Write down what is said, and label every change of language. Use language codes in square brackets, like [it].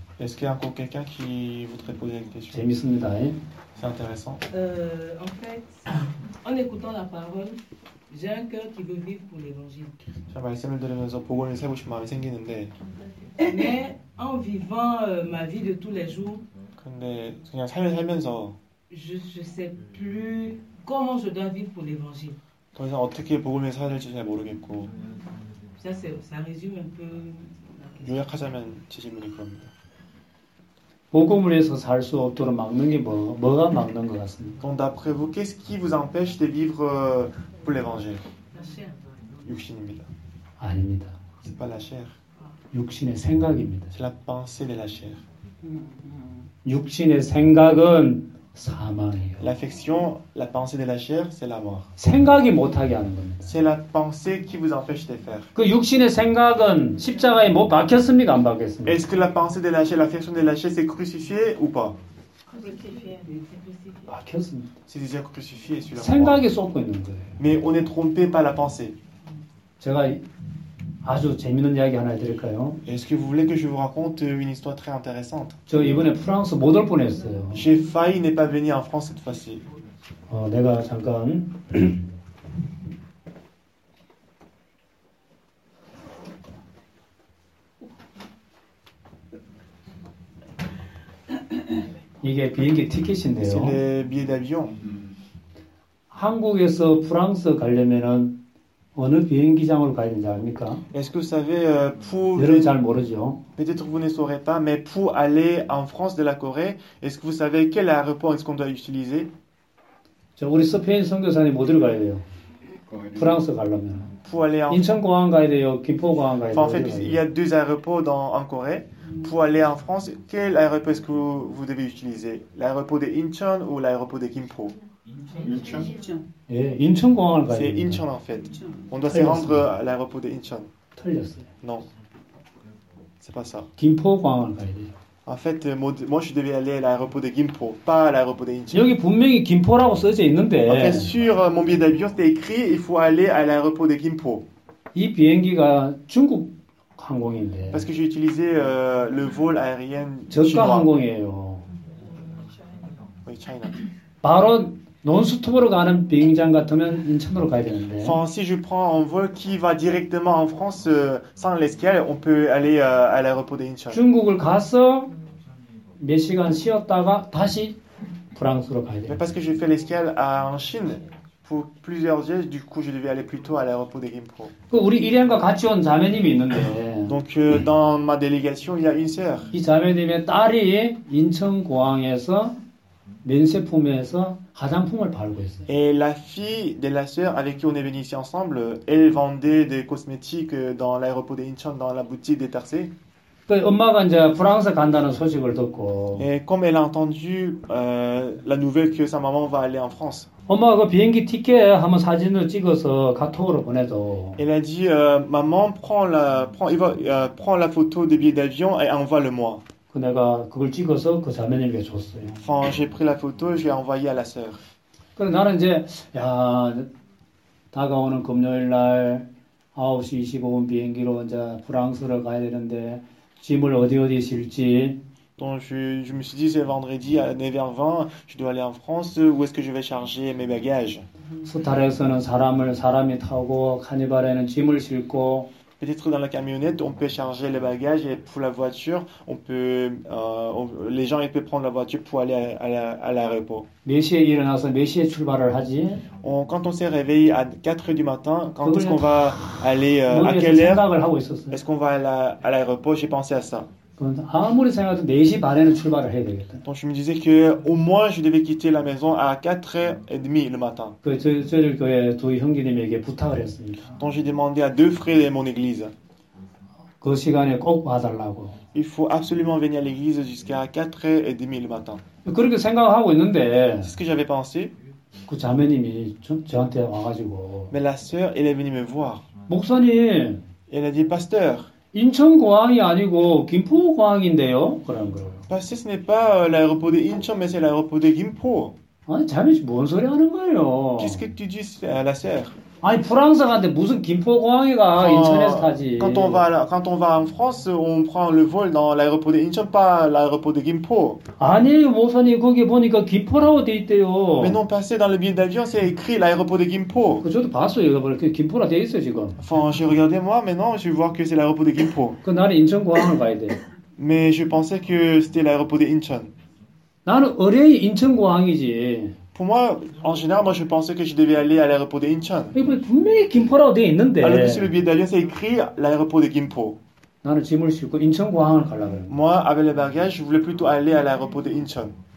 [fr] Est-ce qu'il y a encore quelqu'un qui voudrait poser une question? [ko] 재밌습니다, hein? [fr] C'est intéressant. En fait, en écoutant la parole, j'ai un cœur qui veut vivre pour l'Évangile. [ko] 제가 말씀을 들으면서 복음을 살고 싶은 마음이 생기는데. [fr] Mais en vivant ma vie de tous les jours. [ko] 근데 그냥 삶을 살면서. [fr] Je sais plus comment je dois vivre pour l'Évangile. [ko] 더 이상 어떻게 복음을 살아야 될지 잘 모르겠고. [fr] Ça résume un peu. [ko] 요약하자면 제 질문이 그겁니다. 복음을 위해서 살 수 없도록 막는 게 뭐가 막는 것 같습니다. [fr] Donc d'après vous, qu'est-ce qui vous empêche de vivre pour l'Évangile? [ko] 육신입니다. 아닙니다. [fr] C'est pas la chair. [ko] 육신의 생각입니다. [fr] C'est la pensée de la chair. [ko] 육신의 생각은 사망이에요. [fr] L'affection, la pensée de la chair, c'est la mort. [ko] 생각이 못하게 하는 겁니다. [fr] C'est la pensée qui vous empêche de faire. [ko] 그 육신의 생각은 십자가에 못 박혔습니까? 안 박혔습니까? [fr] Est-ce que la pensée de la chair, l'affection de la chair, c'est crucifié ou pas? Crucifié. [ko] 박혔습니다. [fr] C'est déjà crucifié sur la [ko] 생각이 속고 있는 거예요. [fr] Mais on est trompé par la pensée. [ko] 제가 아주 재미있는 이야기 하나 드릴까요? [fr] Est-ce que vous voulez que je vous raconte une histoire très intéressante? [ko] 저 이번에 프랑스 못 올 뻔했어요. [fr] J'ai failli ne pas venir en France cette fois-ci. [ko] 내가 잠깐 이게 비행기 티켓인데요. [fr] C'est le billet d'avion. [ko] 한국에서 프랑스 가려면은 어느 비행기장으로 가야 되는지 아십니까? [fr] Est-ce que vous savez pour [ko] 여러분 잘 모르죠. [fr] Peut-être vous ne saurez pas, mais pour aller en France de la Corée, est-ce que vous savez quel aéroport est-ce qu'on doit utiliser? [ko] 저 우리 스페인 선교사님 어디로 가야 돼요? 프랑스 가려면. [fr] Pour aller en [ko] 인천공항 가야 돼요. 김포공항 가야 돼요. [fr] En fait, il y a deux aéroports en Corée. Pour aller en France, quel aéroport est-ce que vous devez utiliser? L'aéroport de Incheon ou l'aéroport de Gimpo? [en] Incheon. Yeah, Incheon. [fr] C'est Incheon en fait. On doit se rendre à l'aéroport de Incheon. Non. C'est pas ça. Gimpo. En fait, moi je devais aller à l'aéroport de Gimpo, pas à l'aéroport de Incheon. [ko] 여기 분명히 김포라고 써져 있는데. [fr] En fait, sur mon billet d'avion, c'était écrit il faut aller à l'aéroport de Gimpo. [ko] 이 비행기가 중국 항공인데. [fr] Parce que j'ai utilisé le vol aérien. [ko] 저가 항공이에요. [fr] Oui, China. [ko] 바로 논스톱으로 가는 비행장 같으면 인천으로 가야 되는데. [fr] Enfin, si je prends un vol qui va directement en France sans l'escale, on peut aller à l'aéroport d'Incheon. [ko] 중국을 가서 몇 시간 쉬었다가 다시 프랑스로 가야 돼. [fr] Mais parce que j'ai fait l'escale en Chine pour plusieurs jours, du coup, je devais aller plutôt à l'aéroport de Gimpo. [ko] 그 우리 일행과 같이 온 자매님이 있는데. [fr] Donc dans ma délégation, il y a une sœur. [ko] 이 자매님의 딸이 인천 공항에서 면세품에서 화장품을 팔고 있어요. [fr] Et la fille de la sœur avec qui on est venu ici ensemble, elle vendait des cosmétiques dans l'aéroport d'Incheon dans la boutique de Tarsé. [ko] 그 엄마가 이제 프랑스 간다는 소식을 듣고 [fr] Et comme elle a entendu la nouvelle que sa maman va aller en France. [ko] 엄마가 그 비행기 티켓 한번 사진을 찍어서 카톡으로 보내도 [fr] Elle a dit maman prend la photo des billets d'avion et envoie-le-moi. [ko] 그 내가 그걸 찍어서 그 자매님에게 줬어요. [fr] Quand j'ai pris la photo, j'ai envoyé à la sœur. [ko] 그래 나는 이제 야 다가오는 금요일 날 9시 25분 비행기로 이제 프랑스를 가야 되는데 짐을 어디 어디 실지. [fr] Donc je me suis dit c'est vendredi à 9h20, je dois aller en France. Où est-ce que je vais charger mes bagages? [ko] 스타렉스는 사람을 사람이 타고 카니발에는 짐을 싣고. [fr] Peut-être dans la camionnette on peut charger les bagages et pour la voiture on peut les gens ils peuvent prendre la voiture pour aller à l'aéroport. [ko] 몇 시에 일어나서 몇 시에 출발을 하지? [fr] Quand on s'est réveillé à 4h du matin, quand est-ce qu'on va aller à quelle heure? Est-ce qu'on va à l'aéroport? J'ai pensé à ça. [ko] 아무리 생각해도 4시 반에는 출발을 해야 되겠다. [fr] Donc je me disais que au moins je devais quitter la maison à 4h30 le matin. [ko] 그 저희 교회 두 형제님에게 부탁을 했습니다. [fr] Donc j'ai demandé à deux frères de mon église. [ko] 그 시간에 꼭 와달라고. [fr] Il faut absolument venir à l'église jusqu'à 4h30 le matin. [ko] 그렇게 생각하고 있는데. [fr] C'est ce que j'avais pensé. [ko] 그 자매님이 저한테 와가지고. [fr] Mais la sœur elle est venue me voir. [ko] 목사님. [fr] Elle a dit pasteur. [ko] 인천 공항이 아니고 김포 공항인데요. 그런 거. [fr] Passer ce n'est pas l'aéroport de Incheon mais c'est l'aéroport de Gimpo. [ko] 아니 자매 뭔 소리 하는 거예요? [fr] Qu'est-ce que tu dis à la sœur? [ko] 아니 프랑스 가는데 무슨 김포 공항에 가 인천에서 타지. [fr] Quand on va en France, on prend le vol dans l'aéroport de Incheon pas l'aéroport de Gimpo. [ko] 아니 목사님 거기 보니까 김포라고 돼 있대요. [fr] Mais non, passer dans le billet d'avion c'est écrit l'aéroport de Gimpo. [ko] 그 저도 봤어요. 이거 보니까 김포라 돼 있어 지금. [fr] Enfin, j'ai regardé moi maintenant, je vois que c'est l'aéroport de Gimpo. [ko] 그 나는 인천 공항을 가야 돼. [fr] Mais je pensais que c'était l'aéroport de Incheon. [ko] 나는 어려이 인천 공항이지. [fr] Pour moi, en général, moi, je pensais que je devais aller à l'aéroport de Incheon. Mais alors que sur le billet d'avion, c'est écrit l'aéroport de Gimpo. Moi, avec le bagage, je voulais plutôt aller à l'aéroport de Incheon.